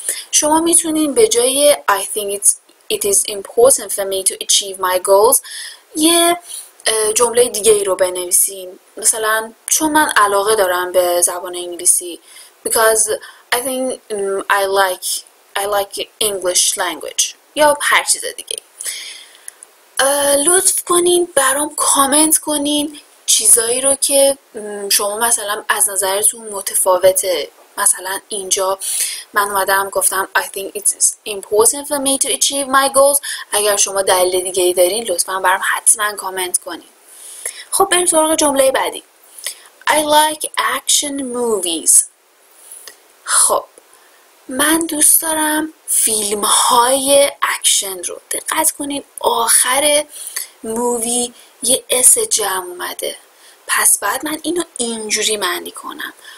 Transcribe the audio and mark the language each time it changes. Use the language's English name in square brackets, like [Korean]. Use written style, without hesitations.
[Persian] شما میتونین به جای [English] I think it is important for me to achieve my goals [Persian] یه جمله دیگه ای رو بنویسین، مثلا چون من علاقه دارم به زبان انگلیسی، [English] because I think I like English language، [Persian] یا هر چیز دیگه. لطف کنین برام کامنت کنین چیزایی رو که شما مثلا از نظرتون متفاوته. مثلا اینجا من اومدم گفتم [English] I think it's important for me to achieve my goals. [Persian] اگر شما دلیل دیگه ای دارین لطفا برام حتما کامنت کنین. خب بریم سراغ جمله بعدی. [English] I like action movies. [Persian] خب من دوست دارم فیلم های اکشن رو. دقت کنین آخر مووی یه اس جمع اومده، پس بعد من اینو اینجوری معنی کنم.